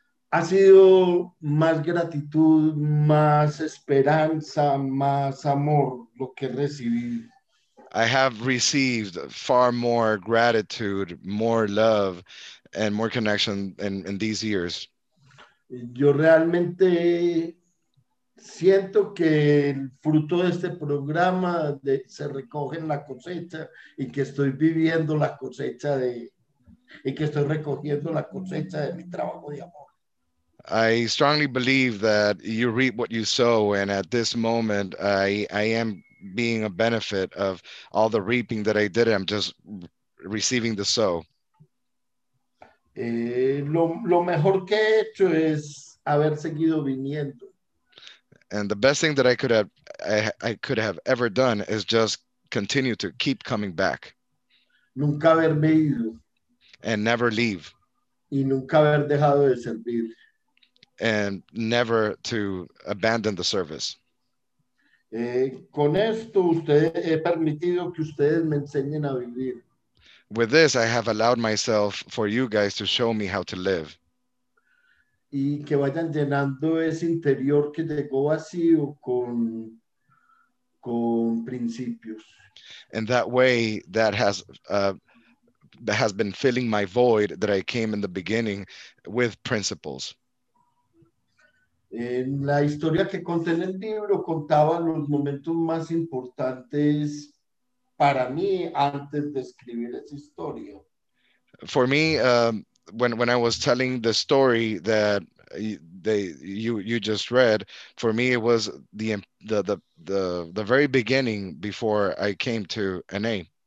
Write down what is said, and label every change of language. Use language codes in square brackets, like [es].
[es] Ha sido más gratitud, más esperanza, más amor lo que recibí. [en] I have received far more gratitude, more love, and more connection in these years. [es] Yo realmente siento que el fruto de este programa se recoge en la cosecha y que estoy viviendo la cosecha de y que estoy recogiendo la cosecha de mi trabajo de amor. [en] I strongly believe that you reap what you sow, and at this moment I am being a benefit of all the reaping that I did. I'm just receiving the sow. [es] Lo mejor que he hecho es haber seguido viniendo. [en] And the best thing that I could have ever done is just continue to keep coming back. [es] Nunca haberme ido. [en] And never leave. [es] Y nunca haber dejado de servir. [en] And never to abandon the service. [es] Con esto he permitido que ustedes me enseñen a vivir. [en] With this, I have allowed myself for you guys to show me how to live. [es] Y que vayan llenando ese interior que llegó vacío con principios. [en] In that way, that has been filling my void that I came in the beginning with principles. [es] En la historia que conté en el libro, contaba los momentos más importantes para mí antes de escribir esa historia. [en] For me, when I was telling the story that you just read, for me it was the very beginning before I came to NA.